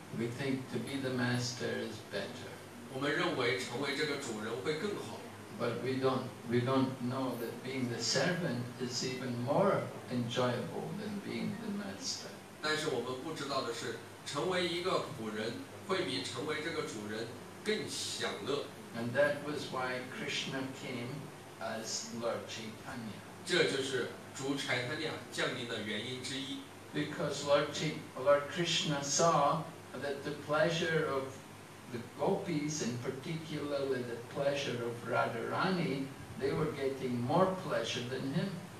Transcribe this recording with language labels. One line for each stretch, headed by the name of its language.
English: We think to be the master is better.
Chinese: 我们认为成为这个主人会更好。
English: But we don't know that being the servant is even more enjoyable than being the master.
Chinese: 但是我们不知道的是，成为一个仆人会比成为这个主人更享乐。
English: And that was why Krishna came as Lord Chaitanya.
Chinese: 这就是主柴他尼亚降临的原因之一。
English: Because Lord Krishna saw that the pleasure of the gopis, and particularly the pleasure of Radharani, they were getting more pleasure than him.